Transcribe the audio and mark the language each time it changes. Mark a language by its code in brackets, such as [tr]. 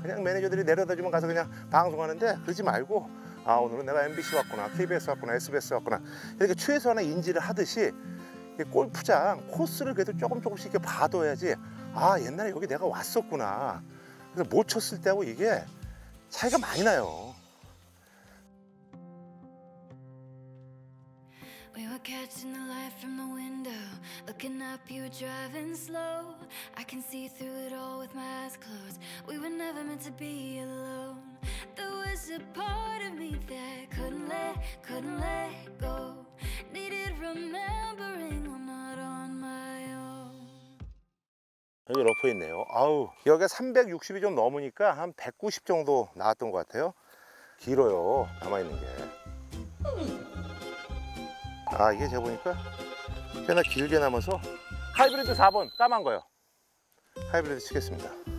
[ko] 그냥 매니저들이 내려다주면 가서 그냥 방송하는데 그러지 말고 아 오늘은 내가 MBC 왔구나, KBS 왔구나, SBS 왔구나 이렇게 최소한의 인지를 하듯이 이 골프장 코스를 그래도 조금씩 이렇게 봐둬야지 아 옛날에 여기 내가 왔었구나. 그래서 못 쳤을 때하고 이게 차이가 많이 나요. [en] We were catching the light from the window Looking up you were driving slow I can see through it all with my eyes closed We were never meant to be alone There was a part of me that couldn't let go Needed remembering I'm not on my own [ko] 여기 러프 있네요. 아우 여기가 360이 좀 넘으니까 한 190 정도 나왔던 것 같아요. 길어요 남아있는 게. 아 이게 제가 보니까 꽤나 길게 남아서 하이브리드 4번 까만 거요. 하이브리드 치겠습니다.